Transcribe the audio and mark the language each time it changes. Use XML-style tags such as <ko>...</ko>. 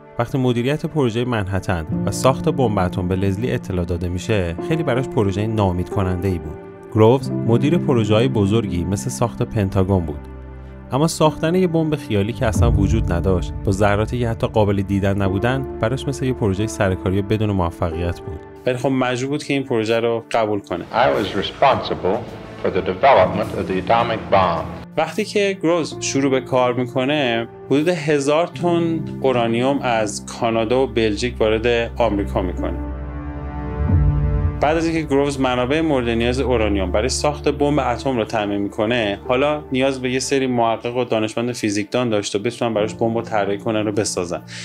<fa>وقتی مدیریت پروژه منهتن و ساخت بمب اتم به لزلی اطلاع داده میشه، خیلی براش پروژه ناامید کننده ای بود. گروفز مدیر پروژه‌های بزرگی مثل ساخت پنتاگون بود، اما ساختن یه بمب خیالی که اصلا وجود نداشت با ذراتی که حتی قابل دیدن نبودن براش مثل یه پروژه سرکاری بدون موفقیت بود. ولی خب مجبور بود که این پروژه رو قبول کنه.</fa> <en>I was responsible for the development of the atomic bomb.</en> <fa>وقتی که گروز شروع به کار میکنه، حدود 1000 تن اورانیوم از کانادا و بلژیک وارد آمریکا میکنه. بعد از اینکه گروز منابع مورد نیاز اورانیوم برای ساخت بمب اتم رو تامین میکنه، حالا نیاز به یه سری محقق و دانشمند فیزیکدان داشت و بتونن براش بمب رو طراحی کنن و بسازن.</fa>